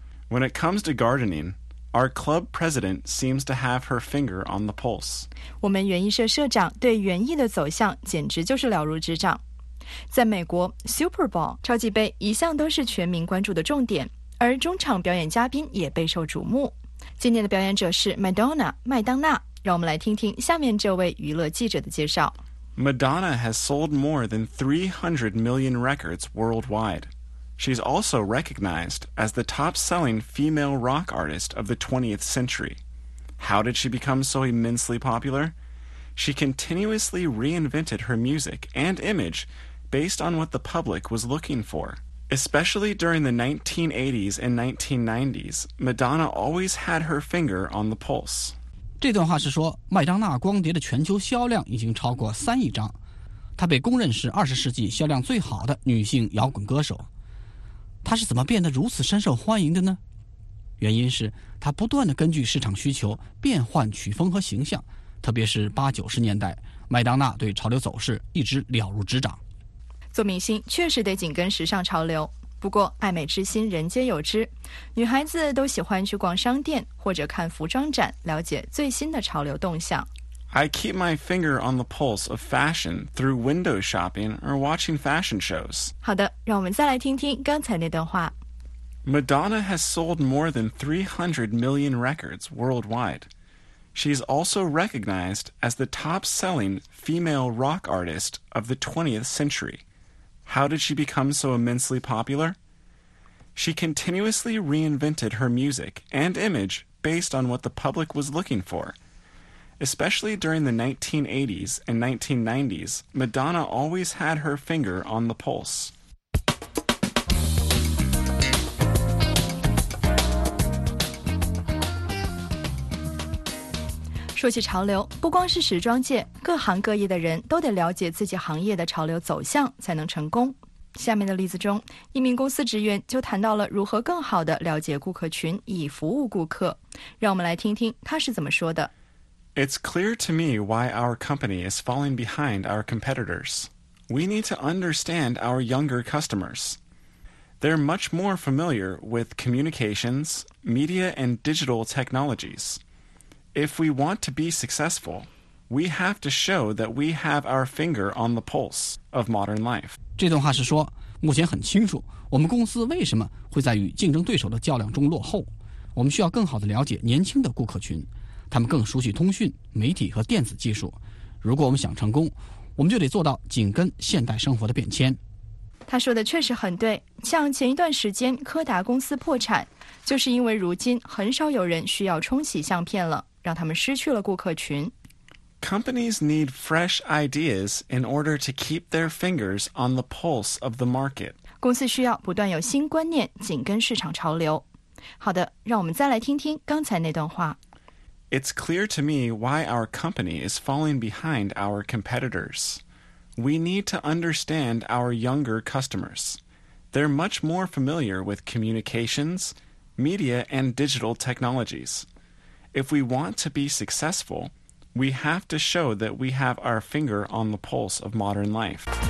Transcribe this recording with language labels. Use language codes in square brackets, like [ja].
[en] When it comes to gardening,Our club president seems to have her finger on the pulse. [zh] 我们园艺社社长对园艺的走向简直就是了如指掌。在美国 ,Super Bowl, 超级杯一向都是全民关注的重点，而中场表演嘉宾也备受瞩目。今年的表演者是 Madonna, 麦当娜。让我们来听听下面这位娱乐记者的介绍。 [en] Madonna has sold more than 300 million records worldwide. She's also recognized as the top-selling female rock artist of the 20th century. How did she become so immensely popular? She continuously reinvented her music and image based on what the public was looking for. Especially during the 1980s and 1990s, Madonna always had her finger on the pulse. [zh] 这段话是说，麦当娜光碟的全球销量已经超过3亿张。她被公认是20世纪销量最好的女性摇滚歌手。她是怎么变得如此深受欢迎的呢？原因是她不断地根据市场需求变换曲风和形象，特别是80-90年代，麦当娜对潮流走势一直了如指掌。做明星确实得紧跟时尚潮流，不过爱美之心人皆有之，女孩子都喜欢去逛商店或者看服装展，了解最新的潮流动向。 [en] I keep my finger on the pulse of fashion through window shopping or watching fashion shows. [zh] 好的，让我们再来听听刚才那段话。 [en] Madonna has sold more than 300 million records worldwide. She's also recognized as the top-selling female rock artist of the 20th century. How did she become so immensely popular? She continuously reinvented her music and image based on what the public was looking for. Especially during the 1980s and 1990s, Madonna always had her finger on the pulse. [zh] 说起潮流，不光是时装界，各行各业的人都得了解自己行业的潮流走向才能成功。下面的例子中，一名公司职员就谈到了如何更好地了解顾客群以服务顾客。让我们来听听他是怎么说的。 [en] It's clear to me why our company is falling behind our competitors. We need to understand our younger customers. They're much more familiar with communications, media, and digital technologies. If we want to be successful, we have to show that we have our finger on the pulse of modern life. [zh] 这段话是说，目前很清楚，我们公司为什么会在与竞争对手的较量中落后。我们需要更好地了解年轻的顾客群。他们更熟悉通讯、媒体和电子技术。如果我们想成功，我们就得做到紧跟现代生活的变迁。他说的确实很对，像前一段时间柯达公司破产，就是因为如今很少有人需要冲洗相片了，让他们失去了顾客群。 [en] Companies need fresh ideas in order to keep their fingers on the pulse of the market. [zh] 公司需要不断有新观念，紧跟市场潮流。好的，让我们再来听听刚才那段话。 [en] It's clear to me why our company is falling behind our competitors. We need to understand our younger customers. They're much more familiar with communications, media, and digital technologies. If we want to be successful, we have to show that we have our finger on the pulse of modern life.